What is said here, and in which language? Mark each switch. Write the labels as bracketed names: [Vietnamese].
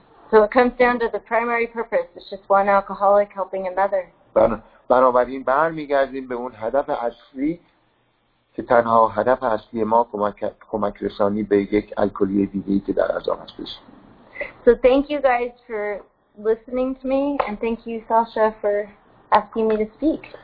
[English] So it comes down to the primary purpose. It's just one alcoholic helping another. [Persian] بنابراین برمیگردیم به اون هدف اصلی که تنها هدف اصلی ما کمک رسانی به یک الکلی دیگه‌ای که در عذاب هست. [English] So thank you guys for listening to me and thank you Sasha for asking me to speak.